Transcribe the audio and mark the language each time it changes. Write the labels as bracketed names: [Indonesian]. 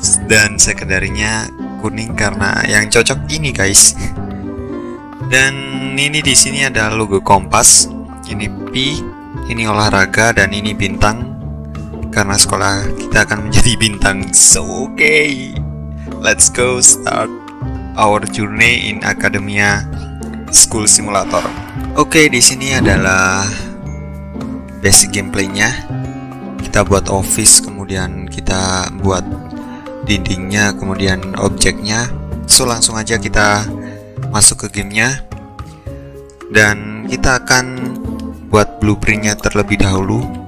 [Indonesian] Dan sekundernya kuning karena yang cocok ini guys. Dan ini di sini ada logo kompas. Ini P, ini olahraga dan ini bintang. Karena sekolah kita akan menjadi bintang. [English] So okay. Let's go start our journey in Academia School Simulator. [Indonesian] Okay, di sini adalah basic gameplay-nya. Kita buat office, kemudian kita buat dindingnya, kemudian objeknya. So langsung aja kita masuk ke gamenya dan kita akan buat blueprintnya terlebih dahulu.